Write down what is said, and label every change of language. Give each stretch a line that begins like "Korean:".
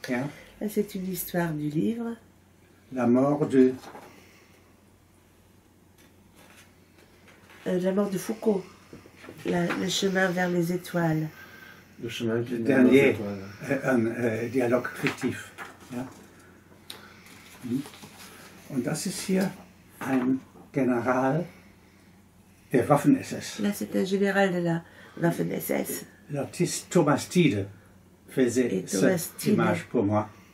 French: Là, c'est une histoire du livre. La mort de... La mort de Foucault. Le chemin vers les étoiles. Le chemin vers les étoiles. Dernier dialogue fictif.
German: Ja. Und das ist hier ein General der Waffen-SS.
French: Là, c'est un général de la Waffen-SS. L'artiste Thomas Tiede faisait cette image pour moi.